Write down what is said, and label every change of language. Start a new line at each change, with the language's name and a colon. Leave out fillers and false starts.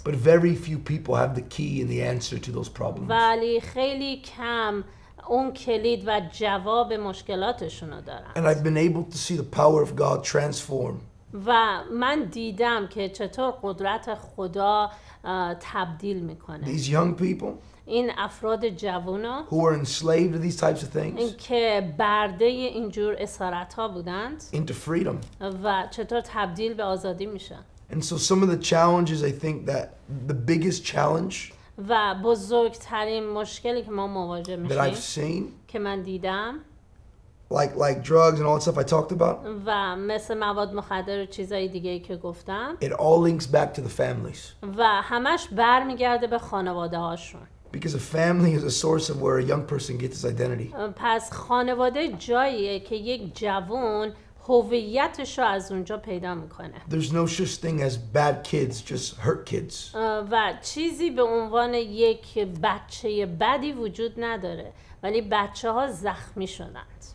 English: But very few people have the key and the answer to those problems.
Persian: ولی خیلی کم اون کلید و جواب مشکلاتشون رو دارند.
English: And I've been able to see the power of God transform.
Persian: و من دیدم که چطور قدرت خدا تبدیل میکنه.
English: These young people.
Persian: این افراد جوان ها.
English: Who are enslaved to these types of things.
Persian: که برده اینجور اسارت ها بودند.
English: Into freedom.
Persian: و چطور تبدیل به آزادی میشن.
English: And so some of the challenges, I think that the biggest challenge.
Persian: و بزرگترین مشکلی که ما مواجه میشیم.
English: That I've seen.
Persian: که من دیدم.
English: Like drugs and all that stuff I talked about.
Persian: و مثل مواد مخدر و چیزهای دیگه‌ای که گفتم.
English: It all links back to the families.
Persian: و همش برمیگرده به خانواده هاشون.
English: Because a family is a source of where a young person gets his identity.
Persian: پس خانواده جاییه که یک جوان هویتش رو از اونجا پیدا میکنه.
English: There's no such thing as bad kids, just hurt kids.
Persian: و چیزی به عنوان یک بچه بدی وجود نداره، ولی بچه ها زخمی شدند.